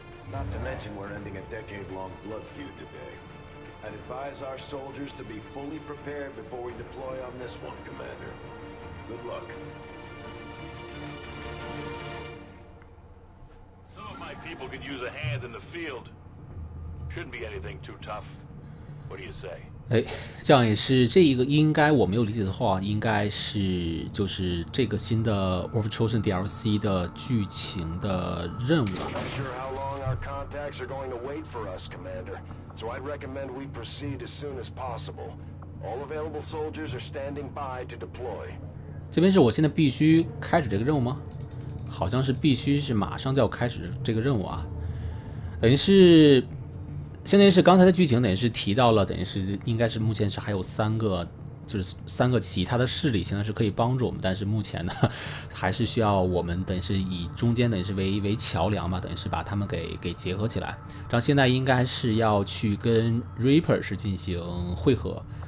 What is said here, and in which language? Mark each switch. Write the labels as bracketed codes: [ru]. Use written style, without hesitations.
[en] Not to mention we're ending a decade-long blood feud today. I'd advise our soldiers to be fully prepared before we deploy on this one, Commander. Good luck. Some of my people could use a hand in the field. Shouldn't be anything too tough. What do you say? [zh] 哎，这样也是这一个，应该我没有理解的话，应该是就是这个新的 War of Chosen DLC 的剧情的任务。 [en] I'm not sure how long our contacts are going to wait for us, Commander. So I'd recommend we proceed as soon as possible. All available soldiers are standing by to deploy. [zh] 这边是我现在必须开始这个任务吗？好像是必须是马上就要开始这个任务啊，等于是。现在是刚才的剧情等于是提到了，等于是应该是目前是还有三个，就是三个其他的势力现在是可以帮助我们，但是目前呢还是需要我们等于是以中间等于是为桥梁嘛，等于是把他们给结合起来，然后现在应该是要去跟 Reaper 是进行汇合。